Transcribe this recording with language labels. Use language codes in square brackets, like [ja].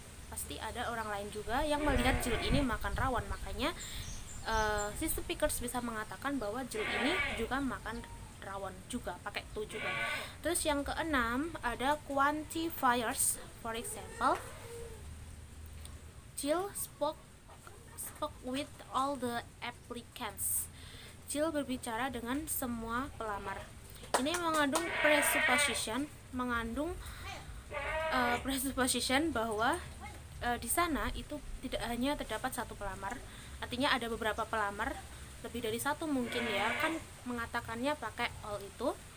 [id] Pasti ada orang lain juga yang melihat Jill ini makan rawon. Makanya si speakers bisa mengatakan bahwa Jill ini juga makan rawon juga, pakai to juga. Terus yang keenam ada quantifiers. [en] For example, Jill spoke with all the applicants. [id] Jill berbicara dengan semua pelamar. Ini mengandung presupposition, mengandung presupposition bahwa di sana itu tidak hanya terdapat satu pelamar, artinya ada beberapa pelamar, lebih dari satu mungkin ya, kan mengatakannya pakai all itu.